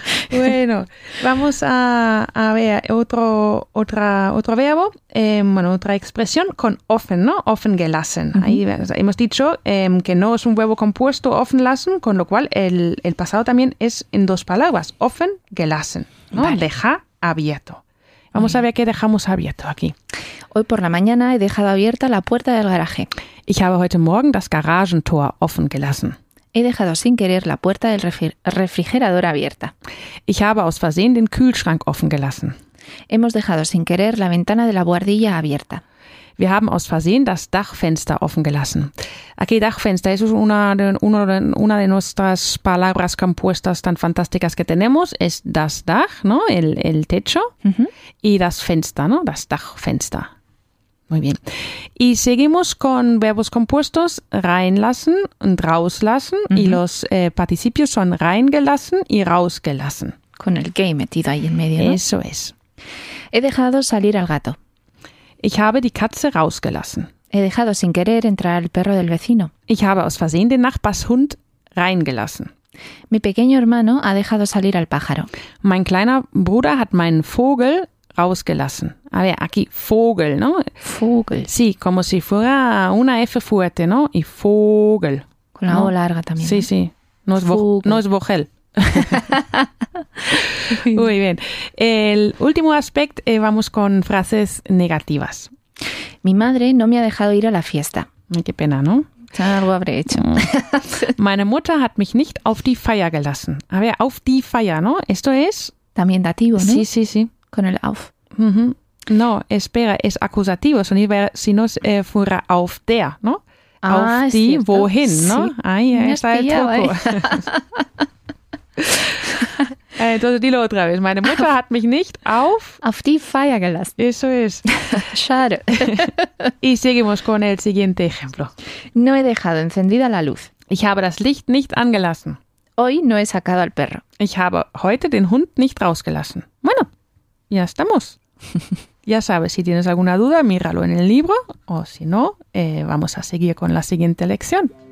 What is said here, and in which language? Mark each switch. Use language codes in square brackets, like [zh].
[es] Bueno, vamos a ver otro verbo, bueno, otra expresión con offen, ¿no? Offen gelassen. Uh-huh. Ahí hemos dicho que no es un verbo compuesto, offen lassen, con lo cual el pasado también es en dos palabras, offen gelassen, ¿no? Vale. Deja abierto. Vamos, uh-huh, a ver qué dejamos abierto aquí. Hoy por la mañana he dejado abierta la puerta del garaje. [de] Ich habe heute Morgen das Garagentor offen gelassen. [es] He dejado sin querer la puerta del refrigerador abierta. [de] Ich habe aus Versehen den Kühlschrank offen gelassen. [es] Hemos dejado sin querer la ventana de la buhardilla abierta. [de] Wir haben aus Versehen das Dachfenster offen gelassen. [es] Aquí, Dachfenster, eso es una de nuestras palabras compuestas tan fantásticas que tenemos. Es das Dach, ¿no? El techo. Uh-huh. Y das Fenster, ¿no? Das Dachfenster. Muy bien. Y seguimos con verbos compuestos, [de] reinlassen und rauslassen. [es] Uh-huh. Y los participios son reingelassen y rausgelassen. Con el que metido ahí en medio, ¿no? Eso es. He dejado salir al gato. [de] Ich habe die Katze rausgelassen. [es] He dejado sin querer entrar al perro del vecino. [de] Ich habe aus Versehen den Nachbarshund reingelassen. [es] Mi pequeño hermano ha dejado salir al pájaro. [de] Mein kleiner Bruder hat meinen Vogel rausgelassen. [es] A ver, aquí, Vogel, ¿no? [de] Vogel. [es] Sí, como si fuera una F fuerte, ¿no? Y Vogel. Con la O larga también. Sí, sí. No es Vogel. No es Vogel. Muy bien. El último aspecto, vamos con frases negativas. Mi madre no me ha dejado ir a la fiesta. Ay, qué pena, ¿no? Algo habré hecho. [de] Meine Mutter hat mich nicht auf die Feier gelassen. [es] A ver, [de] auf die Feier, [es] ¿no? Esto es... También dativo, ¿no? Sí, sí, sí. Con el auf. Uh-huh. No, espera, es acusativo. Si no fuera auf der, ¿no? Ah, [de] auf die, [es] cierto. Wohin, ¿no? Sí. Ahí está el truco. Entonces, dilo otra vez. [de] Meine Mutter hat mich nicht auf die Feier gelassen. [es] Eso es. [de] Schade. [es] Y seguimos con el siguiente ejemplo. No he dejado encendida la luz. Ich habe das Licht nicht angelassen. Hoy no he sacado al perro. Ich habe heute den Hund nicht rausgelassen. Bueno, ya estamos. Ya sabes, si tienes alguna duda, míralo en el libro. O si no, vamos a seguir con la siguiente lección.